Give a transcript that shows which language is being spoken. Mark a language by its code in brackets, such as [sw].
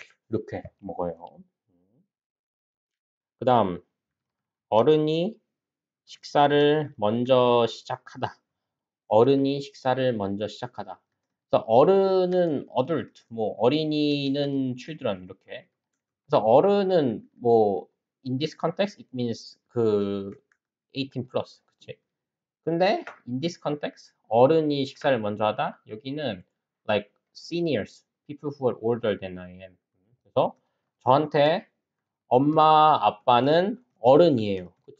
[ko] 이렇게 먹어요. 그다음 어른이 식사를 먼저 시작하다. 어른이 식사를 먼저 시작하다. 그래서 어른은 adult, 뭐 어린이는 children 이렇게. 그래서 어른은 뭐 [en] in this context it means [ko] 그 18 plus, 그렇지? 근데 [en] in this context [ko] 어른이 식사를 먼저 하다. 여기는 [en] like seniors, people who are older than I am. [ko] 그래서 저한테 엄마 아빠는 어른이에요.